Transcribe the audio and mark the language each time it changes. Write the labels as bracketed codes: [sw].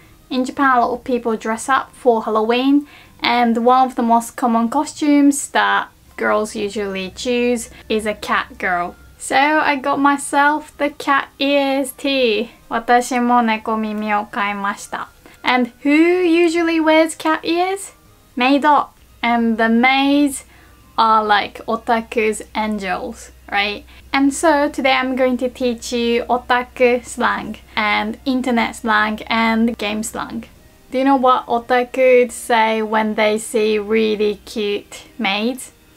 [en] In Japan, a lot of people dress up for Halloween, and one of the most common costumes that girls usually choose is a cat girl. So I got myself the cat ears tea. [ja] 私も猫耳を買いました。 [en] And who usually wears cat ears? Maid. And the maids are like otaku's angels, right? And so today I'm going to teach you otaku slang and internet slang and game slang. Do you know what otaku say when they see really cute maids?